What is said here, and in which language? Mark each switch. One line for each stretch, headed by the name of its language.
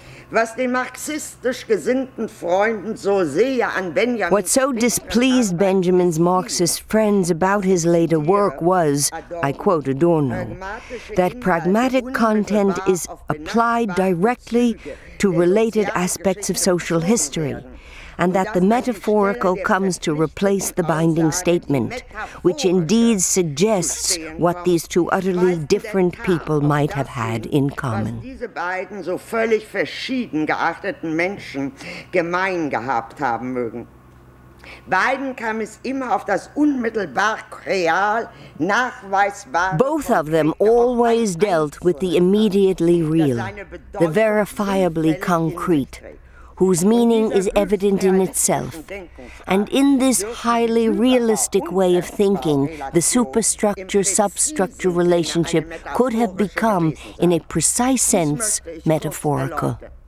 German: Was den marxistisch gesinnten Freunden so sehr an Benjamin.
English: What so displeased Benjamin's Marxist friends about his later work was, I quote Adorno, that pragmatic content is applied directly to related aspects of social history, and that the metaphorical comes to replace the binding statement, which indeed suggests what these two utterly different people might have had in common.
German: Diese beiden so völlig verschieden geachteten Menschen gemein gehabt haben mögen. Beiden kam es immer auf das unmittelbar real nachweisbare.
English: Both of them always dealt with the immediately real, the verifiably concrete, whose meaning is evident in itself. And in this highly realistic way of thinking, the superstructure-substructure relationship could have become, in a precise sense, metaphorical.